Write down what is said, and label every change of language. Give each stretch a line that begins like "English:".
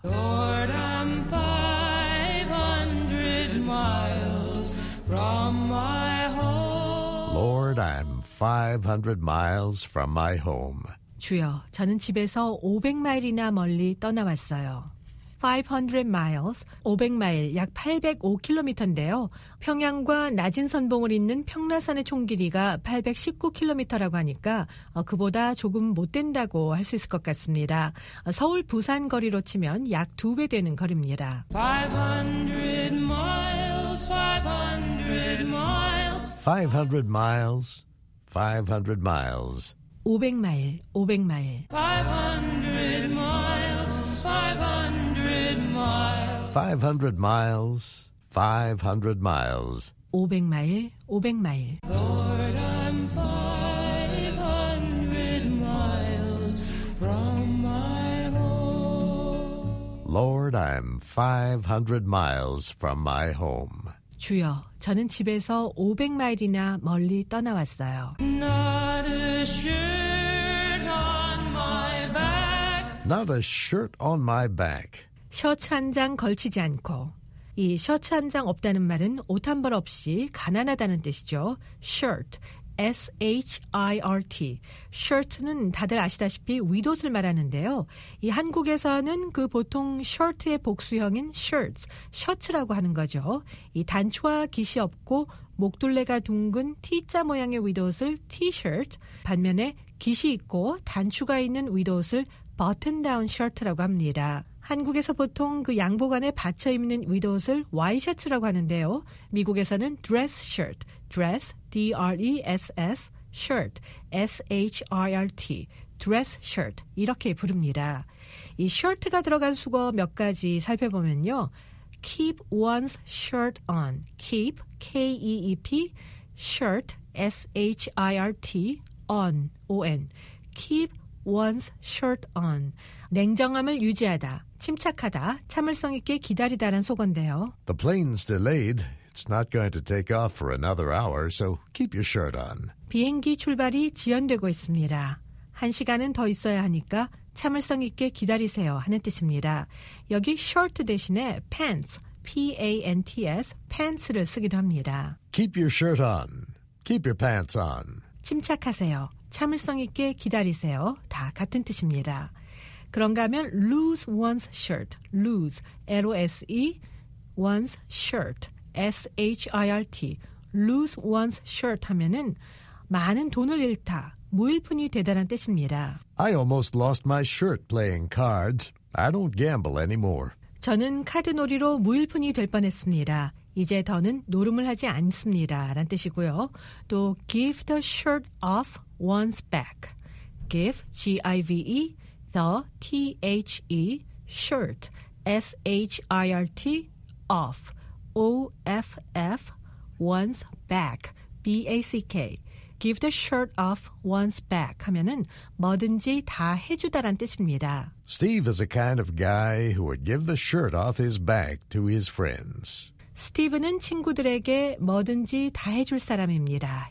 English: Lord, I'm 500 miles from my home. Lord, I'm 500 miles from my home.
Korean: 주여, 저는 집에서 500마일이나 멀리 떠나왔어요. 500 miles, 500마일, 약 805km인데요. 평양과 낮은 선봉을 잇는 평라산의 총 길이가 819km라고 하니까 그보다 조금 못 된다고 할 수 있을 것 같습니다. 서울 부산 거리로 치면 약 두 배 되는 거리입니다.
English: 500 miles, 500 miles. 500 miles, 500 miles.
Korean: 500마일, 500마일.
English: 500 miles, 500 miles. 500 miles, 500 miles.
Korean: 500마일, 500마일.
English: Lord, I'm 500 miles from my home. Lord, I'm 500 miles from my home.
Korean: 주여, 저는 집에서 500마일이나 멀리 떠나왔어요.
English: Not a shirt on my back. Not a shirt on my back.
Korean: 셔츠 한 장 걸치지 않고. 이 셔츠 한 장 없다는 말은 옷 한 벌 없이 가난하다는 뜻이죠. Shirt,
English: SHIRT.
Korean: Shirt는 다들 아시다시피 윗옷을 말하는데요. 이 한국에서는 그 보통 shirt의 복수형인 shirts, 셔츠라고 하는 거죠. 이 단추와 깃이 없고 목둘레가 둥근 T자 모양의 윗옷을 T-shirt, 반면에 깃이 있고 단추가 있는 윗옷을 button-down shirt라고 합니다. 한국에서 보통 그 양복 안에 받쳐 입는 윗옷을 와이셔츠라고 하는데요. 미국에서는 dress shirt, dress, D-R-E-S-S, shirt, S-H-I-R-T, dress shirt 이렇게 부릅니다. 이 shirt가 들어간 수거 몇 가지 살펴보면요.
English: Keep one's shirt on, keep, K-E-E-P, shirt, S-H-I-R-T, on, O-N, keep one's shirt on,
Korean: 냉정함을 유지하다. 침착하다, 참을성 있게 기다리다란 속어인데요.
English: The plane's delayed. It's not going to take off for another hour, so keep your shirt on.
Korean: 비행기 출발이 지연되고 있습니다. 한 시간은 더 있어야 하니까 참을성 있게 기다리세요 하는 뜻입니다. 여기 shirt 대신에 pants, P-A-N-T-S, pants를 쓰기도 합니다.
English: Keep your shirt on. Keep your pants on.
Korean: 침착하세요, 참을성 있게 기다리세요. 다 같은 뜻입니다. 그런가 하면 lose one's shirt, lose, L-O-S-E, one's shirt, S-H-I-R-T, lose one's shirt 하면은 많은 돈을 잃다, 모일푼이 되다란 뜻입니다.
English: I almost lost my shirt playing cards. I don't gamble anymore.
Korean: 저는 카드놀이로 모일푼이 될 뻔했습니다. 이제 더는 노름을 하지 않습니다. 라는 뜻이고요.
English: 또 give the shirt off one's back. Give, G-I-V-E. The, T-H-E, shirt, S-H-I-R-T, off, O-F-F, one's back, B-A-C-K.
Korean: Give the shirt off one's back 하면은 뭐든지 다 해주다란 뜻입니다.
English: Steve is a kind of guy who would give the shirt off his back to his friends.
Korean: 스티브는 친구들에게 뭐든지 다 해줄 사람입니다.